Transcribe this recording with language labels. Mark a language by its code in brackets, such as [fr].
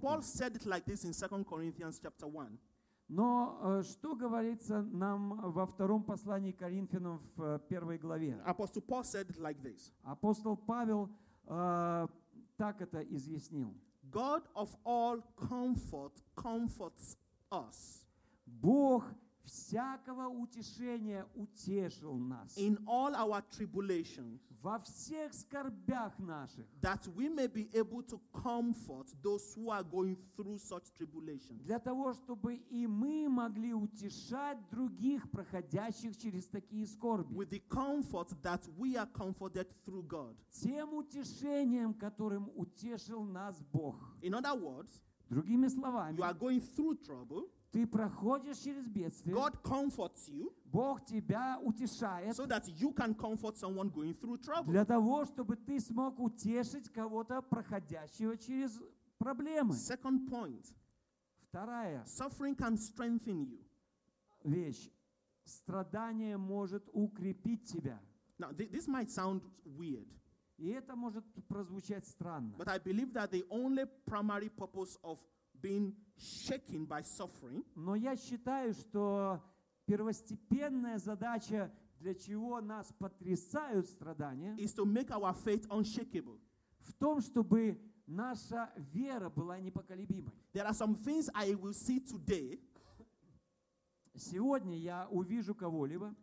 [en] Paul said it like this in 2 Corinthians chapter 1. [ru] Но что говорится нам во втором послании к Коринфянам в первой главе? [en] Apostle Paul said it like this. [ru] Апостол Павел так это изъяснил. [en] God of all comfort comforts us. [ru] Бог всякого утешения утешил нас. [en] In all our tribulations. [ru] Во всех скорбях наших. [en] That we may be able to comfort those who are going through such tribulations. [ru] Для того, чтобы и мы могли утешать других, проходящих через такие скорби. [en] With the comfort that we are comforted through God. [ru] Тем утешением, которым утешил нас Бог. [en] In other words. [ru] Другими словами. [en] You are going through trouble. [ru] Ты проходишь через бедствие. [en] God comforts you. [ru] Бог тебя утешает. [en] So that you can comfort someone going through trouble. [ru] Для того, чтобы ты смог утешить кого-то, проходящего через проблемы. [en] Second point. [ru] Вторая. [en] Suffering can strengthen you. [ru] Вещь. Страдание может укрепить тебя. [en] Now, this might sound weird. [ru] И это может прозвучать странно. [en] But I believe that the only primary purpose of being shaken by suffering. [ru] Но я считаю, что первостепенная задача, для чего нас потрясают страдания, [en] is to make our faith unshakable. [ru] В том, чтобы наша вера была непоколебимой. [en] There are some things I will see today. [ru] Сегодня я увижу кого-либо.